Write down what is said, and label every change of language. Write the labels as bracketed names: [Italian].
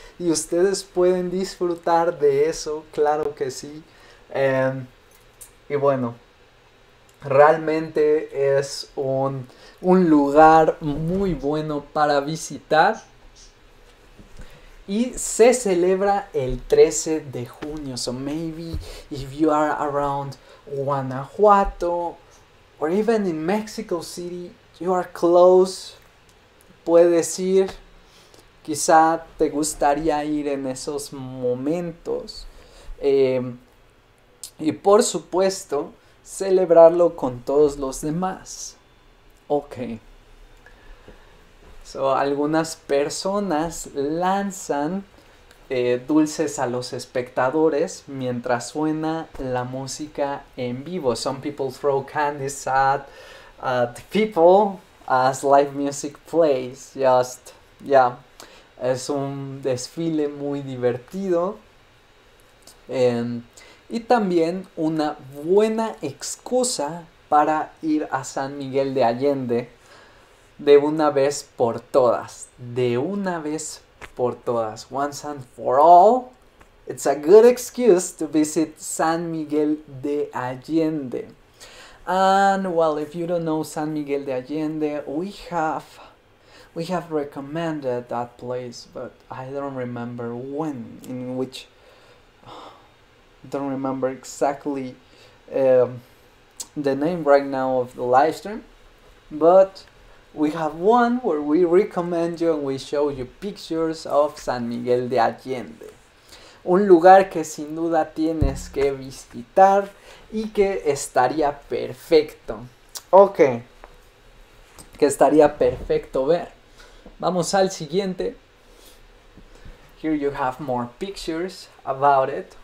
[Spanish] Y ustedes pueden disfrutar de eso, claro que sí. Y bueno, Realmente es un lugar muy bueno para visitar. Y se celebra el 13 de junio. [English] So maybe if you are around Guanajuato or even in Mexico City, you are close, [Spanish] puedes ir. Quizá te gustaría ir en esos momentos. Y por supuesto, celebrarlo con todos los demás. Ok. So, algunas personas lanzan dulces a los espectadores mientras suena la música en vivo. [English] Some people throw candies at people as live music plays. Just, yeah. [Spanish] Es un desfile muy divertido. Y también una buena excusa para ir a San Miguel de Allende de una vez por todas. De una vez por todas. [English] Once and for all, it's a good excuse to visit San Miguel de Allende. And well, if you don't know San Miguel de Allende, we have recommended that place, but I don't remember when, in which. Don't remember exactly the name right now of the live stream, but we have one where we recommend you and we show you pictures of San Miguel de Allende. [Spanish] Un lugar que sin duda tienes que visitar y que estaría perfecto. Ok. Que estaría perfecto ver. Vamos al siguiente. [English] Here you have more pictures about it.